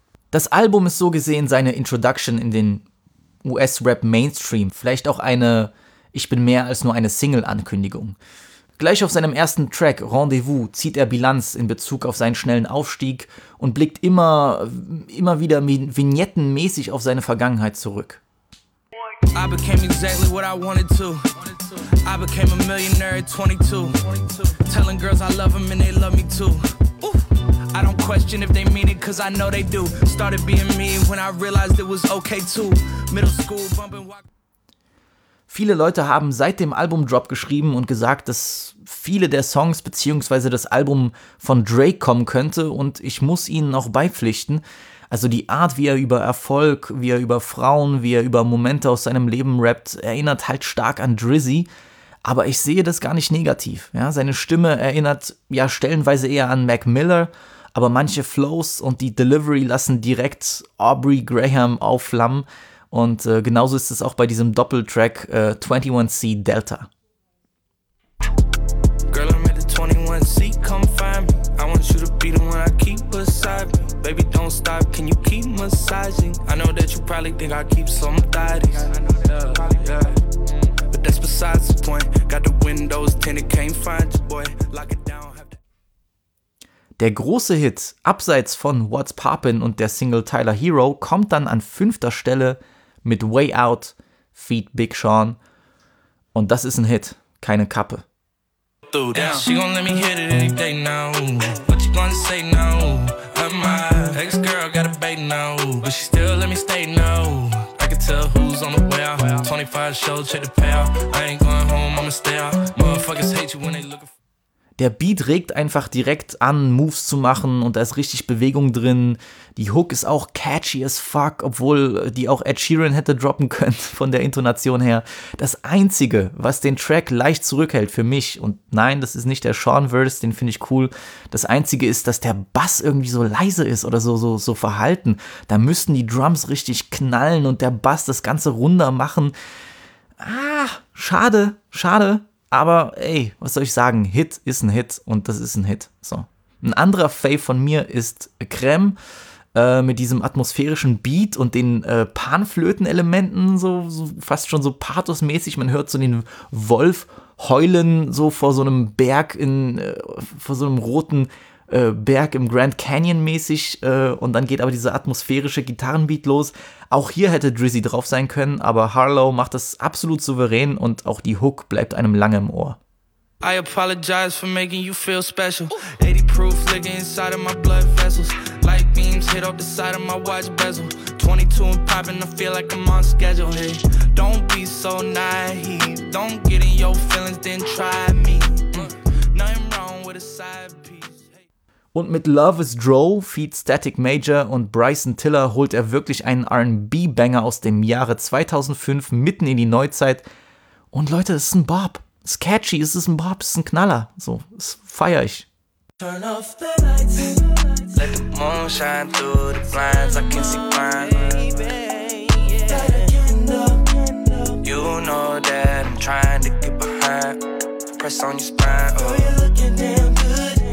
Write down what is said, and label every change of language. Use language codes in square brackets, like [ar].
[de] Das Album ist so gesehen seine Introduction in den US-Rap-Mainstream, vielleicht auch eine Ich-bin-mehr-als-nur-eine-Single-Ankündigung. Gleich auf seinem ersten Track, Rendezvous, zieht er Bilanz in Bezug auf seinen schnellen Aufstieg und blickt immer wieder vignettenmäßig auf seine Vergangenheit zurück. [en] I became exactly what I wanted to. I became a millionaire at 22. Telling girls I love them and they love me too. I don't question if they mean it, cause I know they do. Started being me when I realized it was okay too. Middle school bumping. [de] Viele Leute haben seit dem Album-Drop geschrieben und gesagt, dass viele der Songs bzw. das Album von Drake kommen könnte, und ich muss ihnen auch beipflichten. Also die Art, wie er über Erfolg, wie er über Frauen, wie er über Momente aus seinem Leben rappt, erinnert halt stark an Drizzy. Aber ich sehe das gar nicht negativ. Ja, seine Stimme erinnert ja stellenweise eher an Mac Miller, aber manche Flows und die Delivery lassen direkt Aubrey Graham aufflammen. Und genauso ist es auch bei diesem Doppeltrack 21C Delta. [en] Girl, I'm at the 21C, come find me. I want you to be the one I keep beside me. Baby, don't stop, can you keep massaging? I know that you probably think I keep some thotties. But that's besides the point. Got the windows tinted, can't find you, boy. Lock it down. [de] Der große Hit, abseits von What's Poppin' und der Single Tyler Hero, kommt dann an fünfter Stelle mit Way Out, feat. Big Sean. Und das ist ein Hit, keine Kappe. [en] She gon' let me hit it any day now. What you gonna say now? I'm my ex-girl, got a bait now. But she still let me stay now. I can tell who's on the way out. 25 show, check the payout. I ain't going home, I'ma stay out. Motherfuckers hate you when they look. [de] Der Beat regt einfach direkt an, Moves zu machen, und da ist richtig Bewegung drin. Die Hook ist auch [en] catchy as fuck, [de] obwohl die auch Ed Sheeran hätte droppen können von der Intonation her. Das Einzige, was den Track leicht zurückhält für mich, und nein, das ist nicht der Sean-Verse, den finde ich cool, das Einzige ist, dass der Bass irgendwie so leise ist oder so verhalten. Da müssten die Drums richtig knallen und der Bass das Ganze runder machen. Ah, schade. Aber ey, was soll ich sagen, Hit ist ein Hit und das ist ein Hit. So. Ein anderer Fave von mir ist Creme mit diesem atmosphärischen Beat und den Panflöten-Elementen, so fast schon so pathosmäßig. Man hört so den Wolf heulen so vor so einem Berg, vor so einem roten Berg im Grand Canyon mäßig. Und dann geht aber dieser atmosphärische Gitarrenbeat los. Auch hier hätte Drizzy drauf sein können, aber Harlow macht das absolut souverän und auch die Hook bleibt einem lange im Ohr. [en] I apologize for making you feel special. 80 proof liquor inside of my blood vessels. Light beams hit off the side of my watch bezel. 22 and popping, I feel like I'm on schedule. Hey, don't be so naive. Don't get in your feelings, then try me. Nothing wrong with a side. [de] Und mit Love is Dro, feat. Static Major und Bryson Tiller holt er wirklich einen R&B-Banger aus dem Jahre 2005 mitten in die Neuzeit. Und Leute, es ist ein Bob. Es ist catchy, es ist ein Bob, es ist ein Knaller. So, das feier ich. [en] Turn off the lights, let the moon shine through the blinds, I can see mine. You know that I'm trying to get behind. Press on your spine, oh. You're looking damn good.